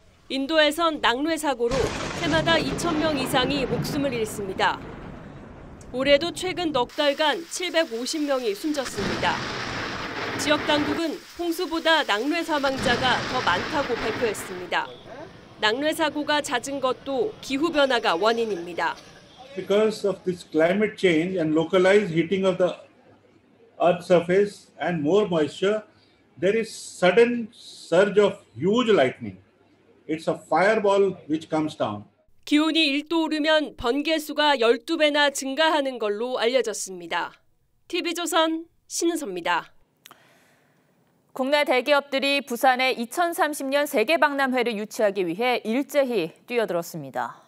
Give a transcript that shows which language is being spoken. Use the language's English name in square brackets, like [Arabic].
[Korean] 인도에선 낙뢰 사고로 해마다 2천 명 이상이 목숨을 잃습니다. 올해도 최근 넉 달간 750명이 숨졌습니다. 지역 당국은 홍수보다 낙뢰 사망자가 더 많다고 발표했습니다. 낙뢰 사고가 잦은 것도 기후 변화가 원인입니다. [English] Because of this climate change and localized heating of the earth surface and more moisture, there is sudden surge of huge lightning. It's a fireball which comes down. [Korean] 기온이 1도 오르면 번개 수가 12배나 증가하는 걸로 알려졌습니다. TV조선 신은서입니다. 국내 대기업들이 부산에 2030년 세계박람회를 유치하기 위해 일제히 뛰어들었습니다.